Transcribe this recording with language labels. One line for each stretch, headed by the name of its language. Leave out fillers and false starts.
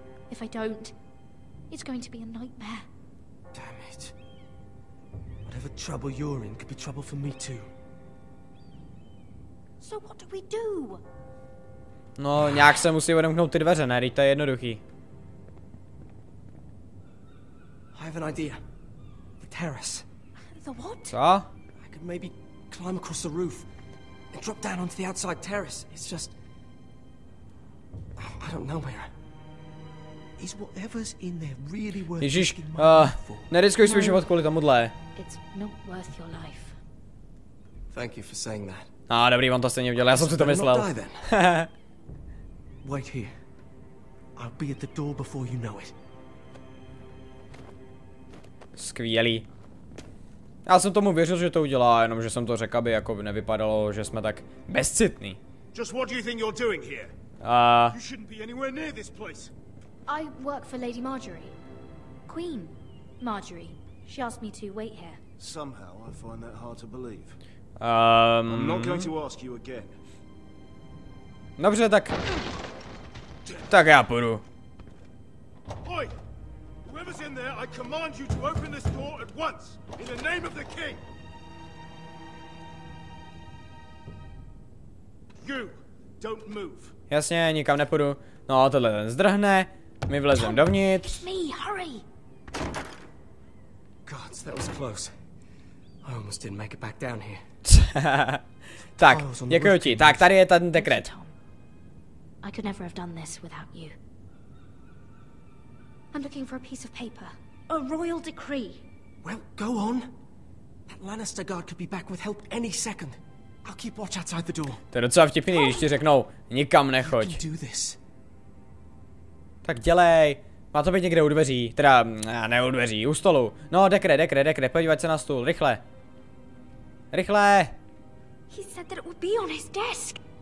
English: If I don't, it's going to be a nightmare. Damn it. Whatever trouble you're in could be trouble for me too. So what do we do?
Czech: No, nějak se musí odemknout ty dveře, ne? To je jednoduchý.
English: I have an idea. The terrace. The what?
Czech: Co?
English: I could maybe climb across the roof and drop down onto the outside terrace. It's just... I don't know, Mira. is whatever's in there really worth
Czech: Ježiš,
English: risking my life for.
Czech: Neriskuj svůj život kvůli tomuhle.
English: It's not worth your life. Thank you for saying that.
Czech: No, dobrý, on to stejně udělal, já jsem si to myslel.
English: Wait here. I'll be at the door before you know it.
Czech: Skvělý. Já jsem tomu věřil, že to udělá, jenom že jsem to řekl, aby jako nevypadalo, že jsme tak bezcitní.
English: Just what do you think you're doing here? You shouldn't be anywhere near this place. I work for Lady Marjorie. Queen Marjorie. She asked me to wait here. Somehow I find that hard to believe. I'm not going to ask you again.
Czech: Dobře, tak. Tak já půjdu.
English: Oi! Whoever's in there, I command you to open this door at once, in the name of the king! You, don't move.
Czech: Jasně, nikam nepůjdu. No, tohle ten zdrhne, my vlezem dovnitř.
English: It's me, hurry! Gods, that was close. I almost didn't make it back down here.
Czech: Tak, děkuji ti. Tak, tady je ten dekret.
English: I could never have done this without you. I'm looking for a piece of paper. A royal decree. Well, go on. That Lannister guard could be back with help any second. I'll keep watch outside the door.
Czech: To je docela vtipný, když ti řeknou, nikam nechoď.
English: You can do this.
Czech: Tak dělej. Má to být někde u dveří. Teda, ne u dveří, u stolu. No, dekre. Podívej se na stůl, rychle. Rychle.
English: He said that it would be on his desk.